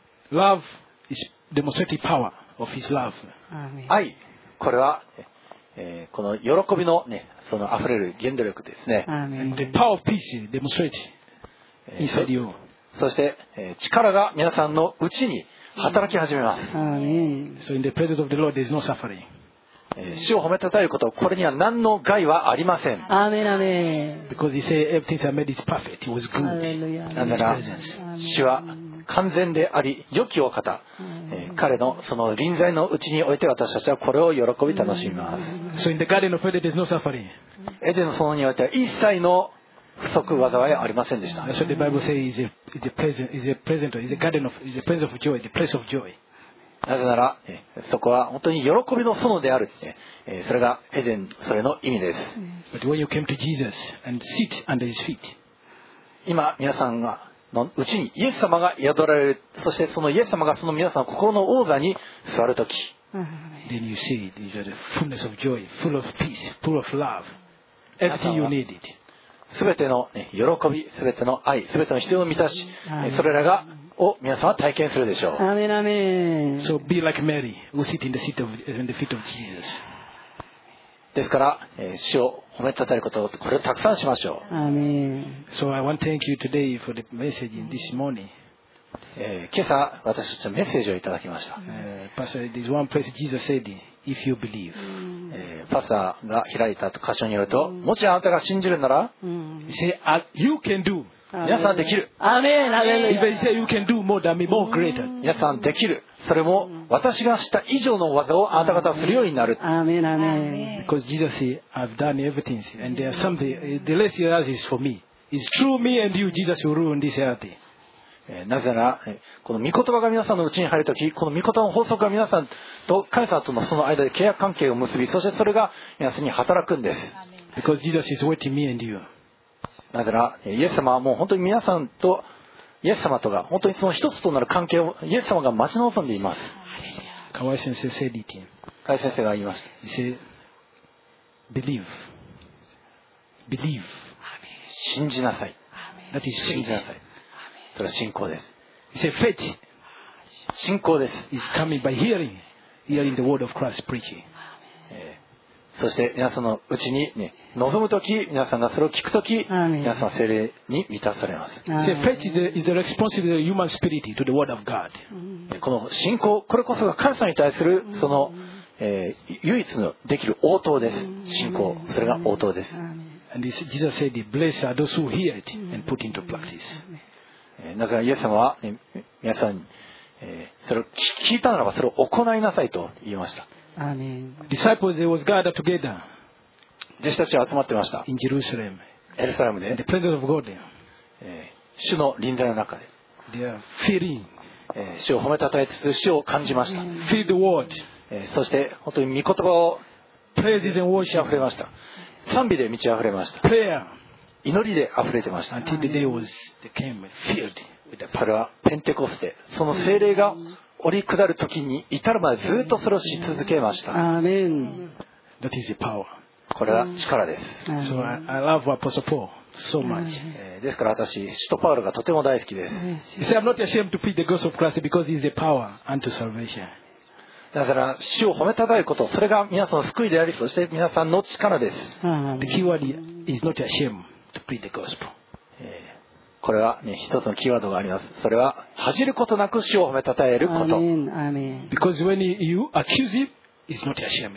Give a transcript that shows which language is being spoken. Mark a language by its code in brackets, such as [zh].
[en] Love is demonstrating power of His love. [ja] 愛、これは、この喜びの、ね、その溢れる原動力ですね。 [en] The power of peace demonstrating inside you. [ja] そして、力が皆さんのうちに働き始めます。 [en] So in the presence of the Lord, there's no suffering. [ja] 主を褒めたたえること、これには何の害はありません。アーメン、アーメン。 [en] Because he said everything that made is perfect, it was good. [ja] なんだら、主は完全であり、良きお方。彼のその臨在のうちにおいて私たちはこれを喜び楽しみます。 [en] So in the garden of Eden, there's no suffering. [ja] エデンの園においては一切の不足災いありませんでした。 [en] So the Bible says is a garden of joy, the place of joy. [ja] なぜなら、そこは本当に喜びの園である、ね、それがエデン、それの意味です。 [en] But when you came to Jesus and sit under His feet, [ja] 今皆さんがのうちにイエス様が宿られる、そしてそのイエス様がその皆さんの心の王座に座るとき、 [en] then you see these are the fullness of joy, full of peace, full of love, everything you needed. [ja] すべての喜び、すべての愛、すべての必要の満たし、それらがを皆さんは体験するでしょう。アメン、アメン。 [en] So be like Mary, who sit in the seat of in the feet of Jesus. [ja] ですから、主を褒めたたえることをこれをたくさんしましょう。アメン。 [en] So I want to thank you today for the message this morning. [ja] 今朝私たちのメッセージをいただきました。 [en] Pastor, this one place Jesus said, if you believe. [ja] パスターが開いた箇所によると、もしあなたが信じるなら、 [en] you can do. [ja] 皆さんできる。アーメン、アレルヤ。 [en] If you say you can do more than me, more greater. [ja] 皆さんできる。それも私がした以上の技をあなた方はするようになる。アーメン、アメン。 [en] Because Jesus said, I've done everything, and there's something. The less He has is for me. It's through me and you, Jesus will ruin this earth. [ja] なぜならこの御言葉が皆さんのうちに入るとき、この御言葉の法則が皆さんと神様とのその間で契約関係を結び、そしてそれが皆さんに働くんです。 [en] Because Jesus is waiting me and you. [ja] なぜならイエス様はもう本当に皆さんとイエス様とが本当にその一つとなる関係をイエス様が待ち望んでいます。河合先生、聖理金河合先生が言いました。 [en] He said, believe. Believe. [ja] 信じなさい。 [en] That is [ja] 信じなさい。それは信仰です。 [en] Say faith. [ja] 信仰です。 [en] Is coming by hearing. hearing the word of Christ preaching. [ja] そして皆さんのうちに、ね、望むとき、皆さんがそれを聞くとき、皆さんは聖霊に満たされます。 [en] See, faith is the responsibility of the human spirit to the word of God. [ja] この信仰、これこそが神様に対するその、唯一のできる応答です。信仰、それが応答です。 [en] And this, Jesus said, "Blessed are those who hear it and put into practice." [ja] なぜならイエス様は、ね、皆さんに、それを聞いたならばそれを行いなさいと言いました。 [en] Disciples, they was gathered together. [ja] 弟子たちは集まってました。 [en] In Jerusalem. [ja] エルサレムで。 [en] The presence of God. [ja] 主の臨在の中で。 [en] They are feeling. [ja] 主を褒めたたえつつ主を感じました。 [en] Feel the word. [ja] そして本当に御言葉を。 [en] Praises and worship. [ja] 溢れました。賛美で満ち溢れました。 [en] Prayer. [ja] 祈りで溢れてました。 [en] Until the day was they came filled with the power. ペンテコステ。 [ja] その聖霊が降り下る時に至るまでずっとそれをし続けました。アーメン。 [en] That is the power. [ja] これは力です。 [en] So I love Apostle Paul so much. [ja] ですから私使徒パウロがとても大好きです。 [en] He said, I'm not ashamed to preach the gospel of Christ because it's the power unto salvation. [ja] だから主を褒めたたえること、それが皆さんの救いであり、そして皆さんの力です。 [en] The key word is not ashamed to preach the gospel. [ja] これは、ね、一つのキーワードがあります。それは恥じることなく主を褒めたたえること。アーメン。 [en] Because when you accuse him, it's not a shame.